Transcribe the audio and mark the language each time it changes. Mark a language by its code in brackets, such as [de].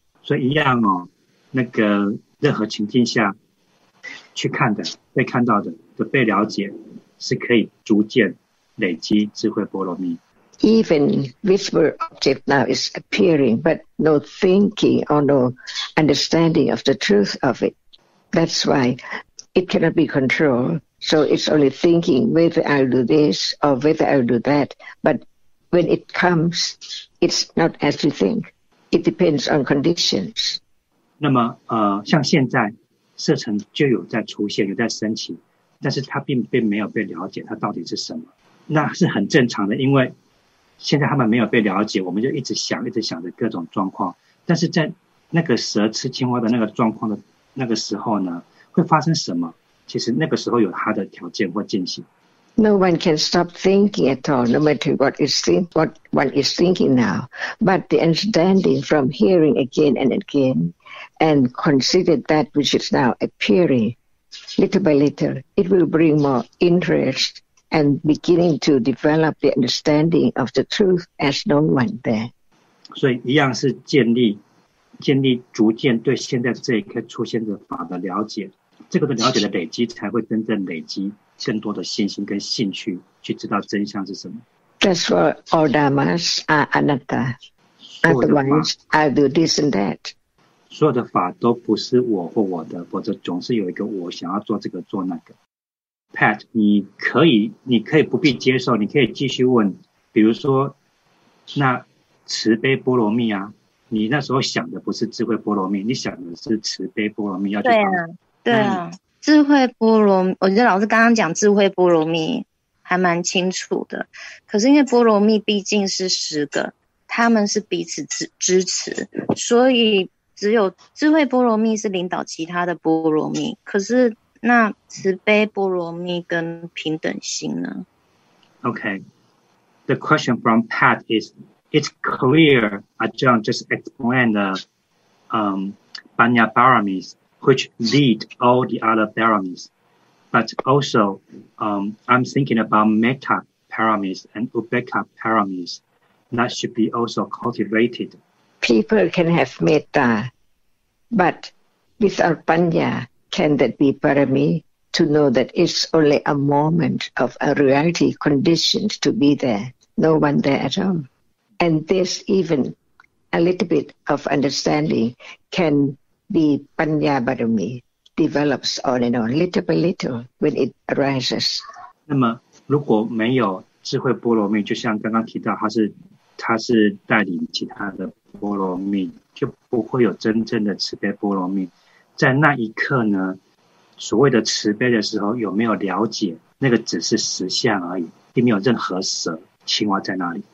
[zh] So, 一样哦，那个任何情境下去看的，被看到的，的被了解，是可以逐渐累积智慧波罗蜜。 [en] Even visible object now is appearing, but no thinking or no understanding of the truth of it. That's why it cannot be controlled. So it's only thinking whether I'll do this or whether I'll do that. But when it comes, it's not as you think. It depends on conditions. [zh] 那么，像现在色尘就有在出现，有在升起，但是它并没有被了解，它到底是什么？那是很正常的，因为现在他们没有被了解，我们就一直想，一直想着各种状况。但是在那个蛇吃青蛙的那个状况的那个时候呢，会发生什么？其实那个时候有他的条件或进行。 [en] No one can stop thinking at all, no matter what one is thinking now. But the understanding from hearing again and again, and consider that which is now appearing, little by little, it will bring more interest. And beginning to develop the understanding of the truth as no one there. [zh] 所以一样是建立逐渐对现在这一刻出现的法的了解，这个的了解的累积才会真正累积更多的信心跟兴趣去知道真相是什么。 [en] That's why all dharmas are anatta. Otherwise, I'll do this and that. [zh] 所有的法都不是我或我的，否则总是有一个我想要做这个做那个。 Pat, 你可以不必接受，你可以继续问，比如说，那慈悲波罗蜜啊，你那时候想的不是智慧波罗蜜，你想的是慈悲波罗蜜要去帮。对啊，智慧波罗蜜，我觉得老师刚刚讲智慧波罗蜜还蛮清楚的，可是因为波罗蜜毕竟是十个，他们是彼此支持，所以只有智慧波罗蜜是领导其他的波罗蜜，可是。那慈悲波罗蜜跟平等心呢 [en] ？Okay, the question from Pat is: It's clear, Ajahn just explained the Banya Baramis, which lead all the other Baramis. But also, I'm thinking about Metta Baramis and Upekkha Baramis. That should be also cultivated. People can have Metta, but without Banya. Can that be parami to know that it's only a moment of a reality conditioned to be there, no one there at all? And this even a little bit of understanding can be panya parami, develops on and on, little by little when it arises. [zh] 那么如果没有智慧波罗蜜，就像刚刚提到，他是带领其他的波罗蜜，就不会有真正的慈悲波罗蜜。在那一刻呢，所谓的慈悲的时候，有没有了解那个只是实相而已，并没有任何蛇青蛙在那里。